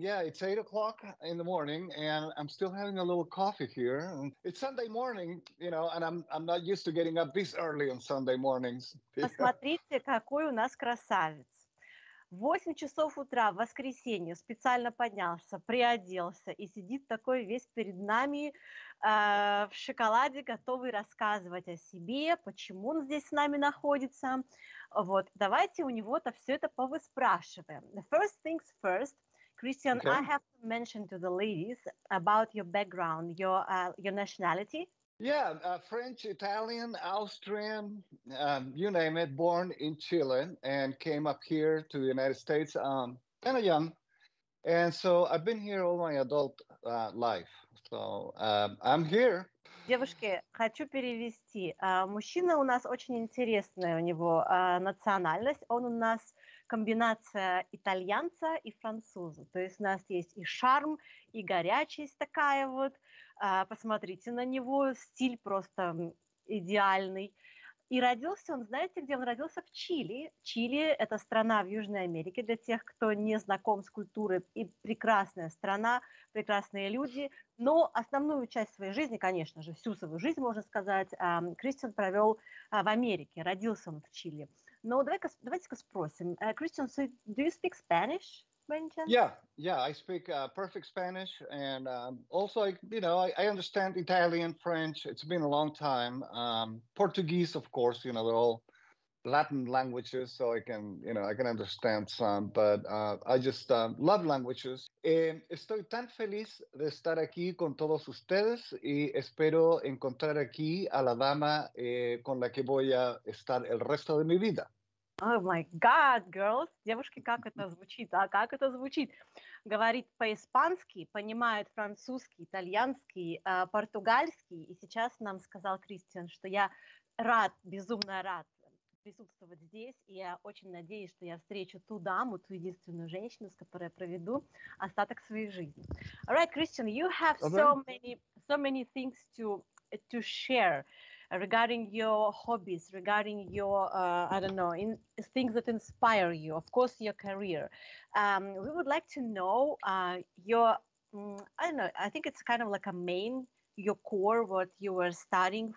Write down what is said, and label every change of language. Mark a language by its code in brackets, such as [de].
[en] Yeah, it's 8 o'clock in the morning and I'm still having a little coffee here. It's Sunday morning, you know, and I'm not used to getting up this early on Sunday mornings. [ru] Посмотрите, какой у нас красавец. 8 часов утра в воскресенье специально поднялся, приоделся и сидит такой весь перед нами в шоколаде, готовый рассказывать о себе, почему он здесь с нами находится. Вот, давайте у него-то все это повыспрашиваем. [en] The first things first, Kristiian, okay. I have to mention to the ladies about your background, your nationality. Yeah, French, Italian, Austrian, you name it, born in Chile and came up here to the United States kind of young. And so I've been here all my adult life. So I'm here. [ru] Девушки, хочу перевести. Мужчина у нас очень интересная у него национальность. Он у нас комбинация итальянца и француза. То есть у нас есть и шарм, и горячесть такая вот. Посмотрите на него, стиль просто идеальный. И родился он, знаете, где он родился? В Чили. Чили – это страна в Южной Америке, для тех, кто не знаком с культурой. И прекрасная страна, прекрасные люди. Но основную часть своей жизни, конечно же, всю свою жизнь, можно сказать, Кристиан провел в Америке. Родился он в Чили. Но давайте-ка спросим. Кристиан, [en] so do you speak Spanish? Yeah, I speak perfect Spanish, and also, I understand Italian, French. It's been a long time. Portuguese, of course, you know, they're all Latin languages, so I can understand some, but I just love languages. [es] Estoy tan feliz de estar aquí con todos ustedes, y espero encontrar aquí a la dama con la que voy a estar el resto de mi vida. [en] Oh my God, girls! [ru] Девушки, как это звучит, а как это звучит? Говорит по-испански, понимает французский, итальянский, португальский, и сейчас нам сказал Кристиан, что я рад, безумно рад присутствовать здесь, и я очень надеюсь, что я встречу ту даму, ту единственную женщину, с которой я проведу остаток своей жизни. [en] All right, Kristiian, you have so many things to share. Regarding your hobbies, regarding your, things that inspire you, of course, your career. We would like to know I think it's kind of like a main, your core, what you were studying.